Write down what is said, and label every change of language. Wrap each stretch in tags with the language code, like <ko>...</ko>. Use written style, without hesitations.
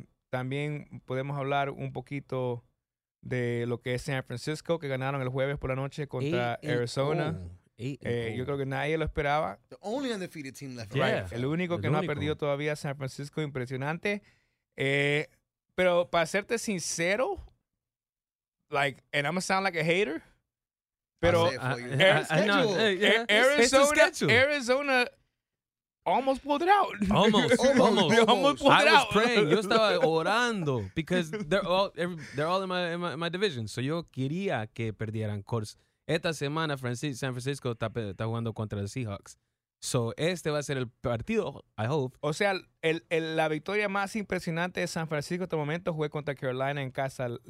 <es>También podemos hablar un poquito de lo que es San Francisco, que ganaron el jueves por la noche contra Arizona. Yo creo que nadie lo esperaba.</es> <en>The only undefeated team left. Yeah. Right.</en> <es>El único que no ha perdido todavía, San Francisco, impresionante. Pero para serte sincero,</es> <en>and I'm going to sound like a hater, pero Arizona almost pulled it out. Almost pulled it out. I was praying.</en> <es>Yo estaba orando</es> <en>because they're all in my division.</en> <es>So yo quería que perdieran course. Esta semana San Francisco está jugando contra los Seahawks. So, este va a ser el partido,</es> <en>I hope.</en> <es>O sea, la victoria más impresionante de San Francisco hasta el momento fue contra Carolina en casa</es>